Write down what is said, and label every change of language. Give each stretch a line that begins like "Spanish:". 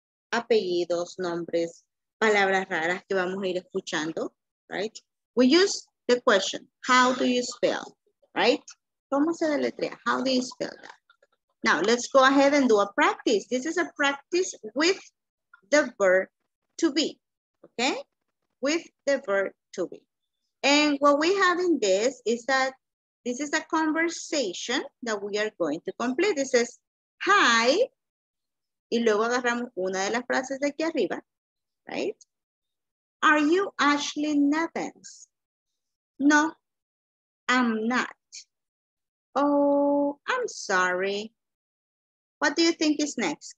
Spanish: Apellidos, nombres, palabras raras que vamos a ir escuchando, right?
English: We use the question, how do you spell? Right?
Spanish: ¿Cómo se deletrea?
English: How do you spell that? Now, let's go ahead and do a practice. This is a practice with the verb to be. Okay? With the verb to be. And what we have in this is that this is a conversation that we are going to complete. This is, hi,
Spanish: y luego agarramos una de las frases de aquí arriba, right?
English: Are you Ashley Nevins? No, I'm not. Oh, I'm sorry. What do you think is next?